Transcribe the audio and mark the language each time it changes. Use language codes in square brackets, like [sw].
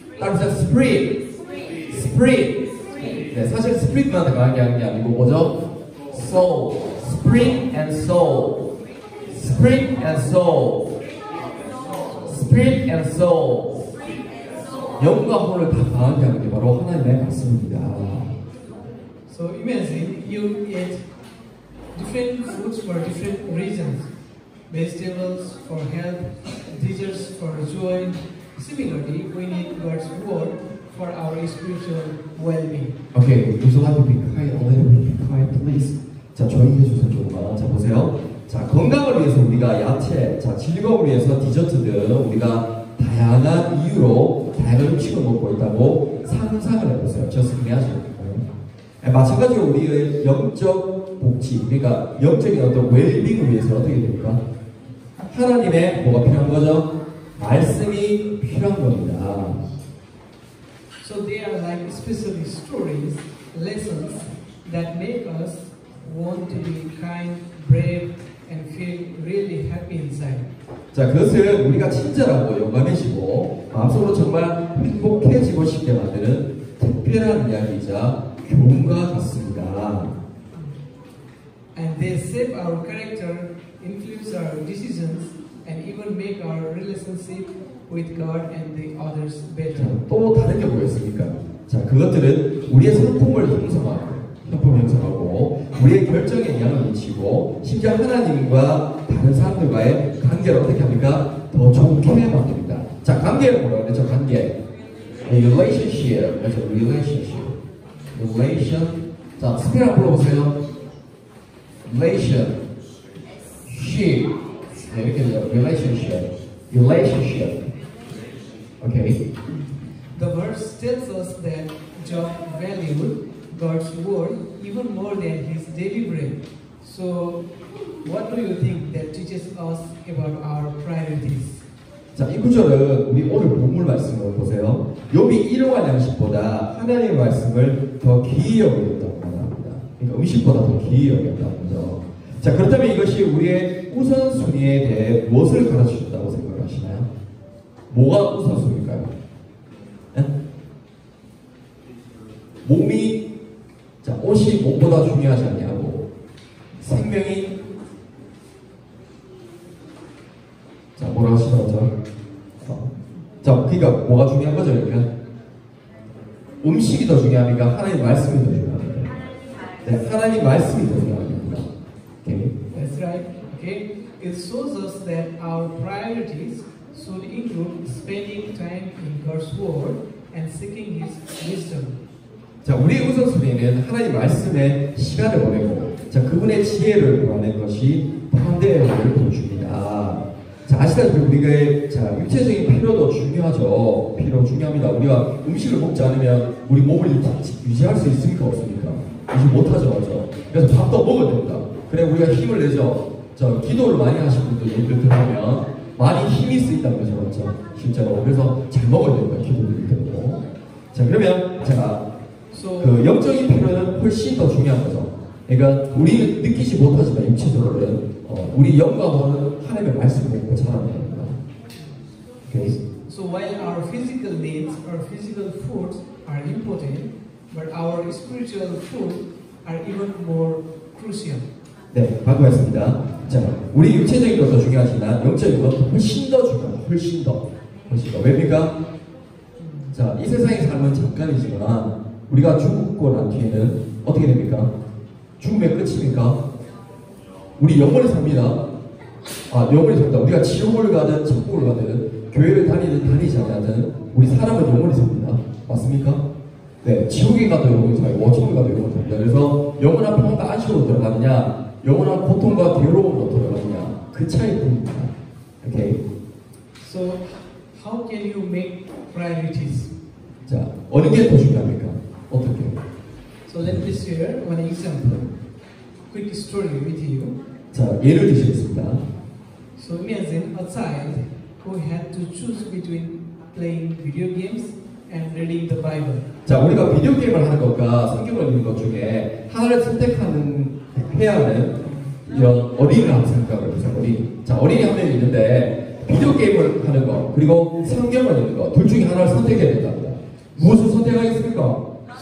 [ko] 다른 사람 스프릿. 스프릿. 네, 사실 스프릿만 강하게 하는 게 아니고 뭐죠? [en] soul. spring and soul. spring and soul. spring and soul. [ko] 영과 혼을 다 강하게 하는 게 바로 하나님의 말씀입니다. [en] So imagine you eat different foods for different reasons. Vegetables for health, desserts for joy. Similarly, we need God's word for our spiritual well-being. Okay, would you like to be quiet a little bit? Be quiet, please. [ko] 자, 조용해 주세요, 조금만. 자, 보세요. 자, 건강을 위해서 우리가 야채, 자, 즐거움을 위해서 디저트 등 우리가 다양한 이유로 다양한 음식을 먹고 있다고 상상을 해보세요. [en] Just imagine. [ko] 마찬가지로 우리의 영적 복지, 그러니까 영적인 어떤 웰빙을 위해서 어떻게 됩니까? 하나님의 뭐가 필요한 거죠? 말씀이 필요한 겁니다. [en] So they are like special stories, lessons that make us want to be kind, brave, and feel really happy inside. [ko] 자, 그것을 우리가 친절하고 용감해지고 마음속으로 정말 행복해지고 싶게 만드는 특별한 이야기이자 교훈과 같습니다. [en] And they shape our character, influence our decisions, and even make our relationship with God and the others better. [ko] 자, 또 다른 게 보였습니까? 자, 그것들은 우리의 성품을 형성하고 우리의 결정에 영향을 미치고 심지어 하나님과 다른 사람들과의 관계를 어떻게 합니까? 더 좋게 만듭니다. 자, 관계를 뭐라고 그랬죠? [en] 관계. Relationship. Relationship. Relation. [ko] 자, 스펠 한번 불러보세요. [en] Relationship. [ko] 네, 이렇게 되죠. [en] Relationship. Relationship. Okay. The verse tells us that Job valued God's word even more than his daily bread. So, what do you think that teaches us about our priorities? [ko] 자, 이 구절은 우리 오늘 본문 말씀을 보세요. 욥이 일용할 양식보다 하나님의 말씀을 더 귀히 여겼다고 말합니다. 그러니까 음식보다 더 귀히 여겼다고 말합니다. 자, 그렇다면 이것이 우리의 우선순위에 대해 무엇을 가르쳐 주셨다고 생각을 하시나요? 뭐가 우선순위일까요? 네? 몸이, 자, 옷이 몸보다 중요하지 않냐고, 생명이, 자, 뭐라 하시나요? 자, 그니까 뭐가 중요한 거죠, 이렇게? 음식이 더 중요합니까? 하나님 말씀이 더 중요합니까? 네, 하나님 말씀이 더 중요합니다. [en] It shows us that our priorities should include spending time in God's word and seeking His wisdom. [ko] 자, 우리 우선순위는 하나님 말씀에 시간을 보내고, 자 그분의 지혜를 구하는 것이 반대의 의미를 보여줍니다. 자, 아시다시피 우리가의 자 육체적인 필요도 중요하죠. 필요 중요합니다. 우리가 음식을 먹지 않으면 우리 몸을 유지할 수 있습니까 없습니까? 유지 못하죠, 그죠? 그래서 밥도 먹어야 됩니다. 그래 우리가 힘을 내죠. 저 기도를 많이 하신 분들 예를 들면 많이 힘이 쓰인다는 거죠, 그렇죠? 실제로 그래서 잘 먹어야 된다, 기도를 드리고. 자 그러면 제가 그 영적인 필요는 훨씬 더 중요한 거죠. 그러니까 우리는 느끼지 못하지만 육체적으로는 우리 영과 혼은 하나님의 말씀을 믿고 자라는 겁니다. [en] So while our physical needs, our physical foods are important, but our spiritual foods are even more crucial. [ko] 네, 반갑습니다. 자, 우리 육체적인 것도 중요하지만 영적인 것 훨씬 더 중요합니다. 훨씬 더. 왜입니까? 자, 이 세상의 삶은 잠깐이지만 우리가 죽고 난 뒤에는 어떻게 됩니까? 죽음의 끝입니까? 우리 영원히 삽니다. 아, 영원히 삽니다. 우리가 지옥을 가든 천국을 가든 교회를 다니든 다니지 않든 우리 사람은 영원히 삽니다. 맞습니까? 네, 지옥에 가도 영원히 삽니다. 원천국에 가도 영원히 삽니다. 그래서 영원한 평안과 안식으로 들어가느냐, 영원한 고통과 괴로움으로 들어가느냐, 그 차이뿐입니다. 오케이. [en] So how can you make priorities? [ko] 자, 어느 게 더 중요합니까? 어떻게? [en] So let me share one example, quick story with you. [ko] 자, 예를 드시겠습니다. [en] So imagine a child who had to choose between playing video games and reading the Bible. [ko] 자, 우리가 비디오 게임을 하는 것과 성경을 읽는 것 중에 하나를 선택하는 해야 하는 이런 어린이라고 생각을 해보세요. 어린이. 자, 어린이 한 명이 있는데 비디오 게임을 하는 것 그리고 성경을 읽는 것 둘 중에 하나를 선택해야 된다. 무엇을 선택하겠습니까?